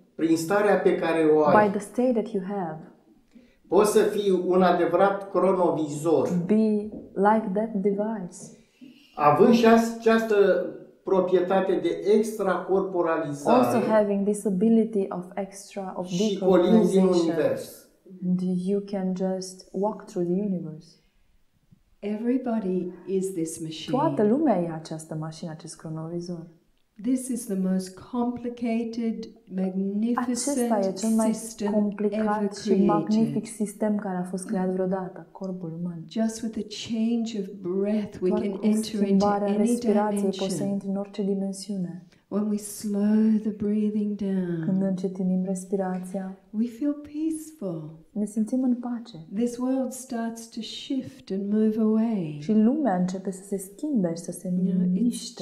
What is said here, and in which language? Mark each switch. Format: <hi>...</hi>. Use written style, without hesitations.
<ro>Prin starea pe care o ai.</ro> <en>By the state that you have.</en> <ro>Poți să fii un adevărat cronovizor.</ro> <en>Be like that device.</en> <ro>Având și această proprietate de extracorporalizare.</ro> <en>Also having this ability of extra of</en> <ro>decolonization. Și colinzi în univers.</ro> <en>And you can just walk through the universe. Everybody is this machine.</en> <ro>Toată lumea e această mașină, acest cronovizor.</ro> <en>This is the most complicated, magnificent system ever created.</en> <ro>Acesta e cel mai complicat și magnific sistem care a fost creat vreodată, corpul uman.</ro> <en>Just with a change of breath, we can enter into any dimension.</en> <ro>Poți să intri în orice dimensiune.</ro> <en>When we slow the breathing down,</en> <ro>când încetinim respirația,</ro> <en>we feel peaceful.</en> <ro>Ne simțim în pace.</ro> <en>This world starts to shift and move away.</en> <ro>Și lumea începe să se schimbe și să se miște.</ro>